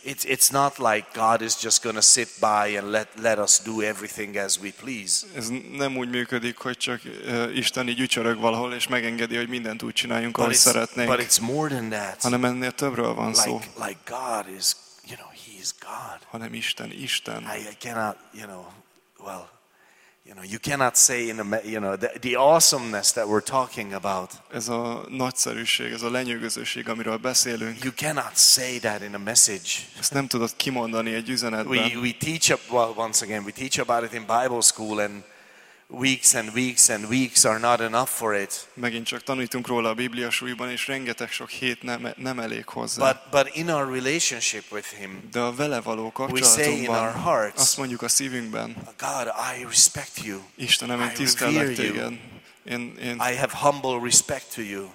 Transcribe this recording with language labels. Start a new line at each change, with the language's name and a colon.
English: It's not like God is just going to sit by and let us do everything as we please.
Hungarian: Ez nem úgy működik, hogy csak Isten így ücsörög valahol és megengedi, hogy mindent úgy csináljunk, ahogy szeretnénk.
English: But it's more than that.
Hungarian: Hanem ennél többről van szó.
English: Like God is, you know, he is God.
Hungarian: Hanem Isten.
English: I cannot, you know, well, you know, you cannot say in a, you know, the awesomeness that we're talking about.
Hungarian: Ez a nagyszerűség, ez a lenyűgözőség, amiről beszélünk.
English: You cannot say that in a message.
Hungarian: Ezt nem tudod kimondani egy üzenetben.
English: We teach once again about it in Bible school, and weeks and weeks and weeks are not enough for it.
Hungarian: Megint csak tanítunk róla a Biblia súlyban, és rengeteg sok hét nem elég hozzá.
English: But in our relationship with him,
Hungarian: de a vele való kapcsolatunkban,
English: we say in our hearts,
Hungarian: azt mondjuk a szívünkben,
English: God, I respect you.
Hungarian: Istenem, én tisztellek téged. Én
English: I have humble respect to you.